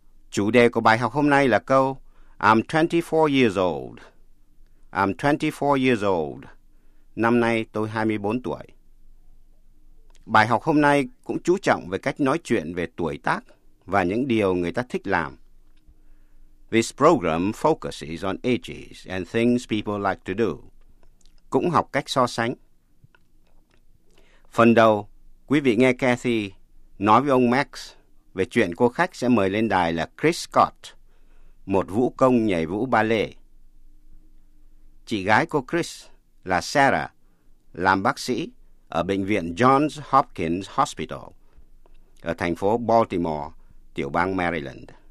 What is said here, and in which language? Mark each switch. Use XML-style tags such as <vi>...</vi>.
<vi>Chủ đề của bài học hôm nay là câu</vi> <en>I'm 24 years old. I'm 24 years old.</en> <vi>Năm nay tôi 24 tuổi. Bài học hôm nay cũng chú trọng về cách nói chuyện về tuổi tác và những điều người ta thích làm.</vi> <en>This program focuses on ages and things people like to do.</en> <vi>Cũng học cách so sánh. Phần đầu, quý vị nghe Kathy nói với ông Max về chuyện cô khách sẽ mời lên đài là Chris Scott, một vũ công nhảy vũ ba lê. Chị gái cô Chris là Sarah, làm bác sĩ ở bệnh viện Johns Hopkins Hospital ở thành phố Baltimore, tiểu bang Maryland.</vi>